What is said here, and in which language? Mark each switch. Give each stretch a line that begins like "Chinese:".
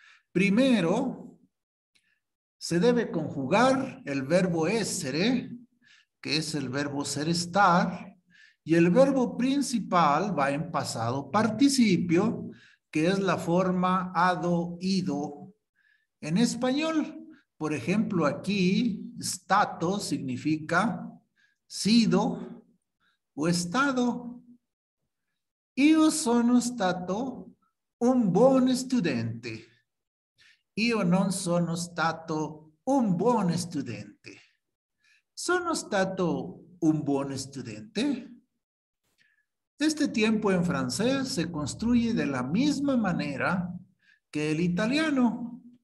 Spanish: Primero, se debe conjugar el verbo essere, que es el verbo ser estar, y el verbo principal va en pasado participio, que es la forma ado ido. En español, por ejemplo, aquí, stato significa sido o estado.
Italian: Io sono stato un buon studente. Io non sono stato un buon studente. Sono stato un buon studente.
Spanish: Este tiempo en francés se construye de la misma manera que el italiano.